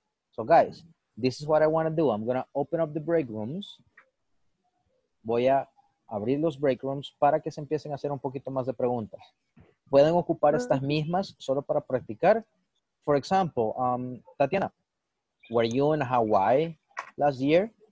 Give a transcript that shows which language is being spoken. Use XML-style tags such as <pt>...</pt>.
<en>So, guys, this is what I want to do. I'm going to open up the break rooms.</en> <es>Voy a abrir los break rooms para que se empiecen a hacer un poquito más de preguntas. Pueden ocupar estas mismas solo para practicar.</es> <en>For example, Tatiana, were you in Hawaii last year?</en>